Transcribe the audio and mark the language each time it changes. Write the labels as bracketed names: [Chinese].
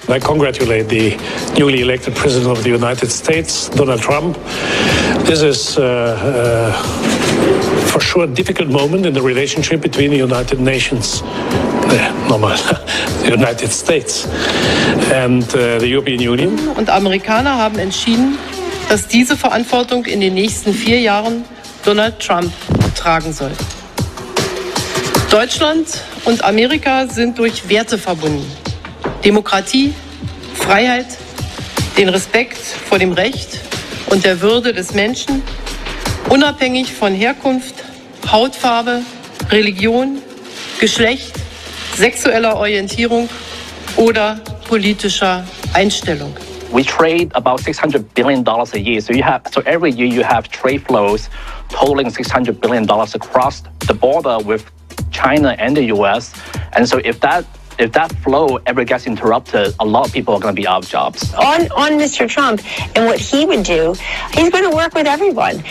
[English] I congratulate the newly elected president of the United States, Donald Trump. This is for sure a difficult moment in the relationship between the United Nations, the United States, and the European Union. [German] Und Amerikaner haben entschieden, dass diese Verantwortung in den nächsten vier Jahren Donald Trump tragen soll. Deutschland und Amerika sind durch Werte verbunden. Demokratie, Freiheit, den Respekt vor dem Recht und der Würde des Menschen, unabhängig von Herkunft, Hautfarbe, Religion, Geschlecht, sexueller Orientierung oder politischer Einstellung. [English] We trade about $600 billion a year. So every year you have trade flows totaling $600 billion across the border with China and the US. And so if that flow ever gets interrupted, a lot of people are going to be out of jobs. On Mr. Trump and what he would do, he's going to work with everyone.